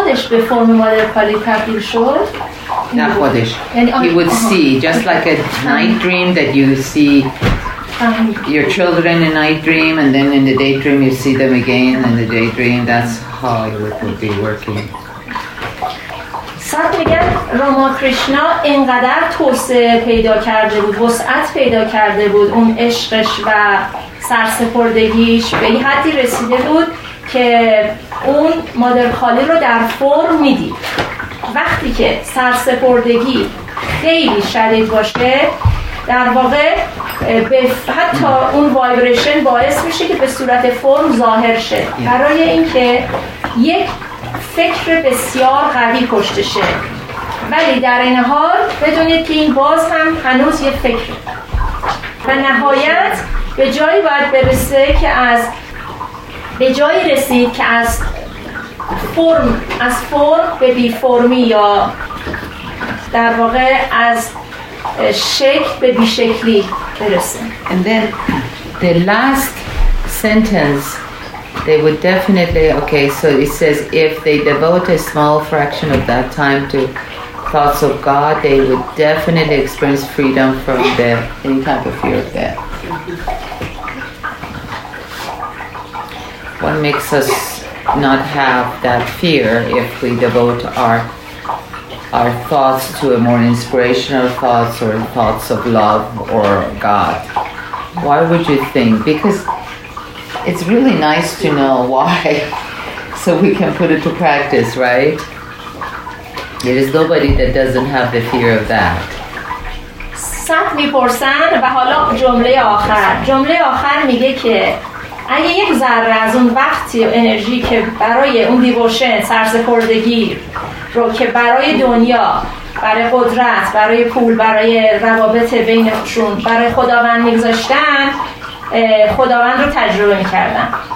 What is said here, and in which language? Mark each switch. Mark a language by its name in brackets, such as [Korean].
[English] Before Mother Kali appeared, he would see, just like a night dream that you see your children in night dream, and then in the daydream you see them again in the daydream. That's how it would be working. [Persian] سات میگه راماکریشنا اینقدر توسعه پیدا کرده بود، وسعت پیدا کرده بود، اون عشقش و سرسپردگیش به این حدی رسیده بود که اون مادر خالی رو در فرم میدید. وقتی که سرسپردگی خیلی شدید باشه، در واقع حتی اون وایبریشن باعث میشه که به صورت فرم ظاهر شه، برای اینکه یک فکر بسیار قوی پشته شه. ولی در این حال بدونید که این باز هم هنوز یه فکر و نهایت به جایی باید برسه که از به جایی رسید که از فرم از فرم به بی فرمی، یا در واقع از شکل به بی شکلی برسه. [English] And then the last sentence, they would definitely, okay, so it says if they devote a small fraction of that time to thoughts of God, they would definitely experience freedom from the, any type of fear of death. What makes us not have that fear if we devote our thoughts to a more inspirational thoughts or thoughts of love or God? Why would you think? Because it's really nice to know why, so we can put it to practice, right? There is nobody that doesn't have the fear of that. [Persian] سات میپرسن و حالا جمله آخر میگه که اگه یک ذره از اون وقتی و انرژی که برای اون دیوشن سرسپردگی رو که برای دنیا، برای قدرت، برای پول، برای روابط بینشون، برای خداوند میگذاشتن، خداوند رو تجربه میکردم.